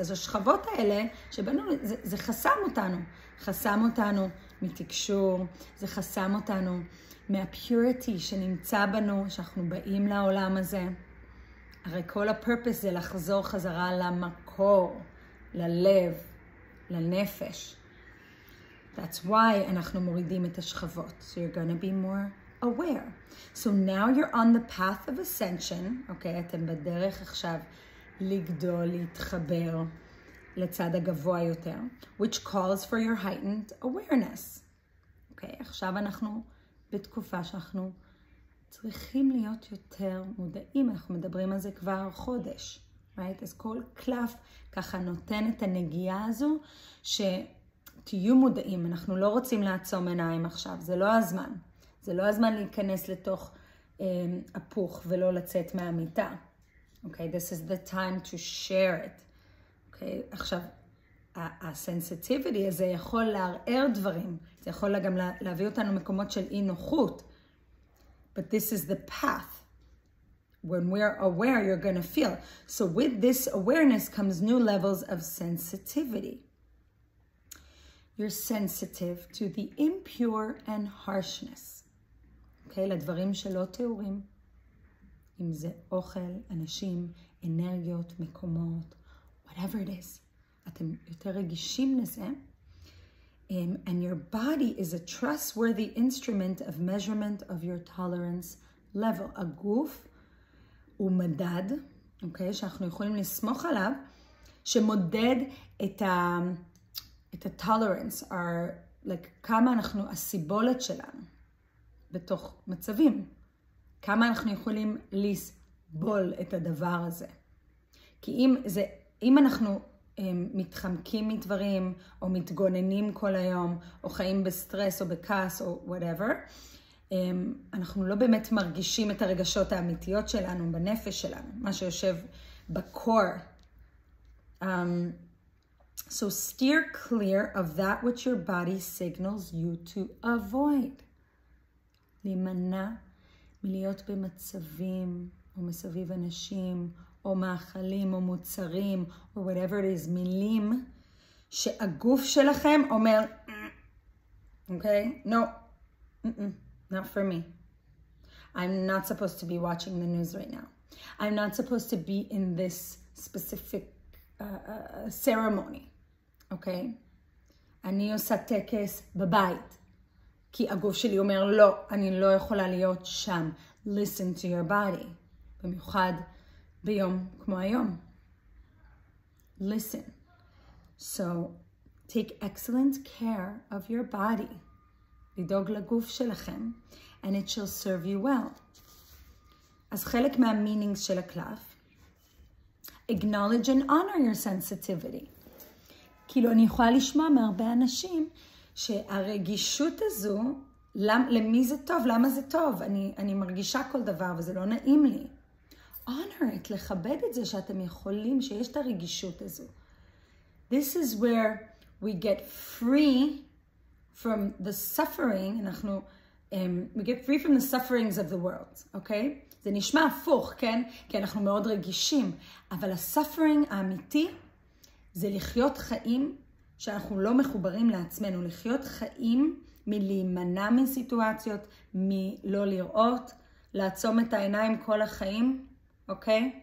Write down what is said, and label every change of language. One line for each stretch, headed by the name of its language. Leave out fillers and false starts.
Hebrew: אז השכבות האלה, שבנו, זה חסם אותנו. חסם אותנו מתקשור, זה חסם אותנו מהפיוריטי שנמצא בנו, שאנחנו באים לעולם הזה. הרי כל הפרפס זה לחזור חזרה למקור, ללב, לנפש.
English: That's why
Hebrew: אנחנו מורידים את השכבות.
English: So you're going to be more aware. So now you're on the path of ascension.
Hebrew: Okay, אתם בדרך עכשיו לגדול, להתחבר לצד הגבוה יותר.
English: Which calls for your heightened awareness. Okay,
Hebrew: עכשיו אנחנו בתקופה שאנחנו צריכים להיות יותר מודעים. אנחנו מדברים על זה כבר חודש,
English: right?
Hebrew: אז כל קלף ככה נותן את הנגיעה הזו שתהיו מודעים. אנחנו לא רוצים לעצום עיניים עכשיו, זה לא הזמן. זה לא הזמן להיכנס לתוך הפוך ולא לצאת מהמיטה.
English: Okay, this is the time to share it.
Hebrew: Okay, עכשיו, הסנסיטיביטי הזה יכול להרער דברים. זה יכול גם להביא אותנו מקומות של אי נוחות.
English: But this is the path. When we're aware, you're going to feel. So with this awareness comes new levels of sensitivity. You're sensitive to the impure and harshness.
Hebrew: Okay, לדברים שלא תיאורים. אם זה אוכל, אנשים, אנרגיות, מקומות,
English: whatever it is.
Hebrew: אתם יותר רגישים לזה.
English: And your body is a trustworthy instrument of measurement of your tolerance level.
Hebrew: הגוף הוא מדד, אוקיי, שאנחנו יכולים לסמוך עליו, שמודד את את ה-tolerance,
English: our, like,
Hebrew: כמה אנחנו, הסיבולת שלנו, בתוך מצבים, כמה אנחנו יכולים לסבול את הדבר הזה. כי אם זה, אם אנחנו מתחמקים מדברים, או מתגוננים כל היום, או חיים בסטרס, או בכעס, או
English: whatever,
Hebrew: אנחנו לא באמת מרגישים את הרגשות האמיתיות שלנו, בנפש שלנו, מה שיושב בקור.
English: So steer clear of that which your body signals you to avoid.
Hebrew: להימנע מלהיות במצבים, או מסביב אנשים, או מאכלים, או מוצרים, או
English: whatever it is,
Hebrew: מילים, שהגוף שלכם אומר,
English: okay? No, not for me. I'm not supposed to be watching the news right now. I'm not supposed to be in this specific ceremony, okay?
Hebrew: אני עושה טקס בבית, כי הגוף שלי אומר, לא, אני לא יכולה להיות שם.
English: Listen to your body.
Hebrew: במיוחד, ביום כמו היום.
English: Listen. So, take excellent care of your body.
Hebrew: לדאוג לגוף שלכם,
English: and it shall serve you well.
Hebrew: אז חלק מהמינינגס של הקלף,
English: acknowledge and honor your sensitivity.
Hebrew: כאילו, אני יכולה לשמוע מהרבה אנשים שהרגישות הזו, למי זה טוב? למה זה טוב? אני מרגישה כל דבר וזה לא נעים לי.
English: Honor it,
Hebrew: לכבד את זה שאתם יכולים, שיש את הרגישות הזו.
English: This is where we get free from the suffering,
Hebrew: אנחנו,
English: we get free from the sufferings of the world, okay?
Hebrew: זה נשמע הפוך, כן? כי אנחנו מאוד רגישים, אבל הסאפרינג האמיתי זה לחיות חיים שאנחנו לא מחוברים לעצמנו, לחיות חיים מלהימנע מסיטואציות, מלא לראות, לעצום את העיניים כל החיים,
English: okay?